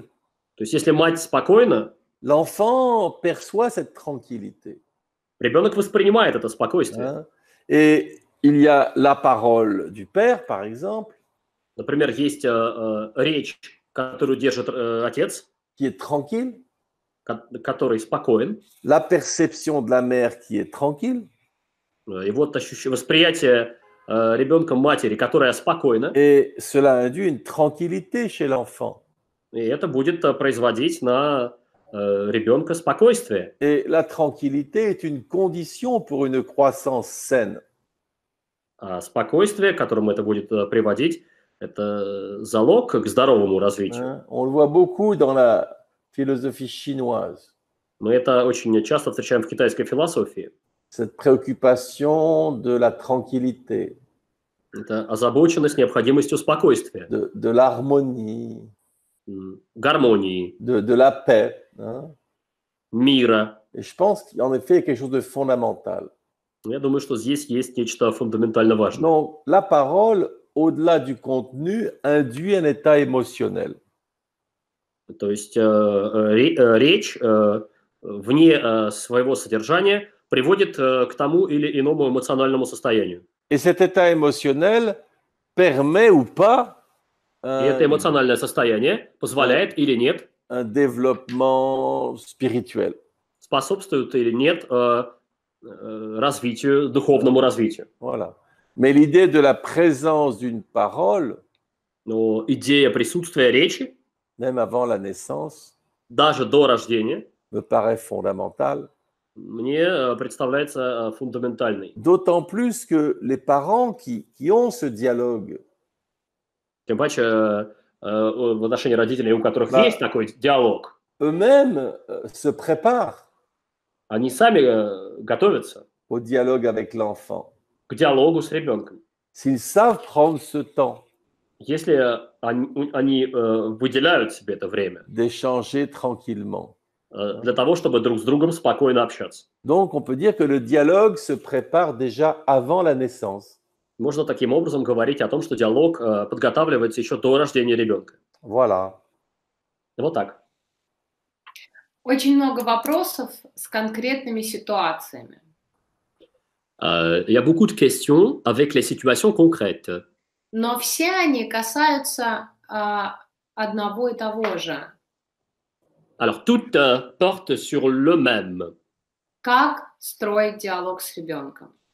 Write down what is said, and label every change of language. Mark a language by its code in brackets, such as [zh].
[ru] то есть если мать спокойна, [fr] l'enfant perçoit cette tranquillité. [ru] Ребенок воспринимает это спокойствие. [fr] Hein? Et il y a la parole du père, par exemple. [ru] Например, есть речь, которую держит отец, [fr] qui est tranquille, [ru] который спокоен. [fr] La perception de la mère qui est tranquille. [ru] И вот ощущение, восприятие ребенком матери, которая спокойна. [fr] Et cela induit une tranquillité chez l'enfant. [ru] И это будет производить на ребенка спокойствие. [fr] Et la tranquillité est une condition pour une croissance saine. [ru] А спокойствие, к которому это будет приводить, это залог к здоровому развитию. [fr] On le voit beaucoup dans la philosophie chinoise. [ru] Мы это очень часто встречаем в китайской философии. [fr] Cette préoccupation de la tranquillité. [ru] Это озабоченность необходимостью спокойствия. [fr] De l'harmonie. [ru] Гармонии. [fr] De la paix. Hein? [ru] Мира. [fr] Et je pense qu'en effet, il y a quelque chose de fondamental. [ru] Я думаю, что здесь есть нечто фундаментально важное. [fr] Donc, la parole, au-delà du contenu, induit un état émotionnel. [ru] То есть речь вне своего содержания приводит к тому или иному эмоциональному состоянию. [fr] Et cet état émotionnel permet ou pas, [ru] и это эмоциональное состояние позволяет или нет [fr] un développement spirituel. [ru] Способствует или нет развитию, духовному развитию. [fr] Voilà. Mais l'idée de la présence d'une parole, [ru] но идея присутствия речи, [fr] même avant la naissance, [ru] даже до рождения, [fr] me paraît fondamentale. [ru] Мне представляется фундаментальной. [fr] D'autant plus que les parents qui ont ce dialogue. [ru] Тем паче в отношении родителей, у которых есть такой диалог. [fr] Eux-mêmes se préparent. [ru] Они сами готовятся. [fr] Au dialogue avec l'enfant. [ru] К диалогу с ребенком. [fr] S'ils savent prendre ce temps. [ru] Если они выделяют себе это время. [fr] D'échanger tranquillement. [ru] Для того, чтобы друг с другом спокойно общаться. [fr] Donc, on peut dire que le dialogue se prépare déjà avant la naissance. [ru] Можно таким образом говорить о том, что диалог подготавливается еще до рождения ребенка. [fr] Voilà. [ru] Вот так. Очень много вопросов с конкретными ситуациями. [fr] Il y a beaucoup de questions avec les situations concrètes. [ru] Но все они касаются одного и того же. [fr] Alors, tout porte sur le même. [ru] Как строить диалог с ребенком?